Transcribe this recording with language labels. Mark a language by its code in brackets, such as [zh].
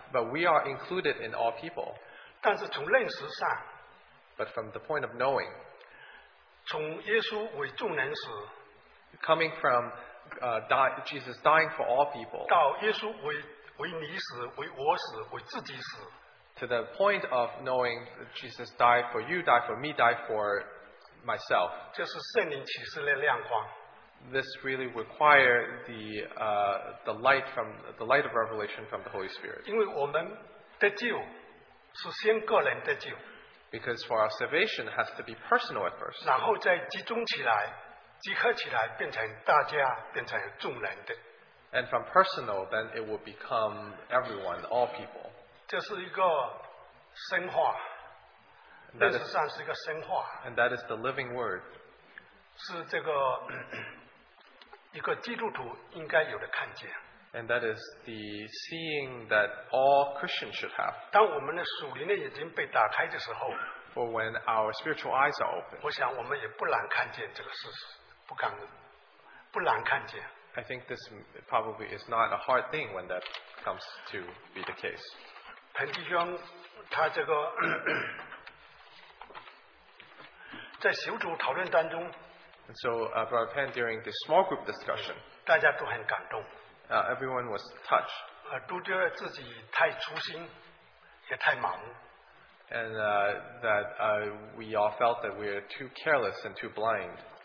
[en] but we are included in all people. [zh] 但是从认识上, [en] but from the point of knowing, [zh] 从耶稣为众人时, [en] coming from Jesus dying for all people. [zh] 到耶稣为你死，为我死，为自己死。 [en] To the point of knowing Jesus died for you, died for me, died for myself. [zh] 这是圣灵启示的亮光。 [en] This really require the light from the light of revelation from the Holy Spirit. [zh] 因为我们得救是先个人得救。 [en] Because for our salvation has to be personal at first. [zh] 然后再集中起来。集合起来变成大家，变成众人的。 [en] And from personal, then it will become everyone, all people. [zh] 这是一个深化，历史上是一个深化。 [en] And that is the living word. [zh] 是这个一个基督徒应该有的看见。 [en] And that is the seeing that all Christians should have. [zh] 当我们的属灵的眼睛被打开的时候， [en] For when our spiritual eyes are open. [zh] 我想我们也不难看见这个事实。不难看见。 [en] I think this probably is not a hard thing when that comes to be the case. [zh] 彭弟兄他这个 在小组讨论当中， [en] And so Brother Penn during the small group discussion, [zh] 大家都很感动。 [en] Everyone was touched. [zh] 都觉得自己太粗心，也太盲目。 [en] And that we all felt that we are too careless and too blind.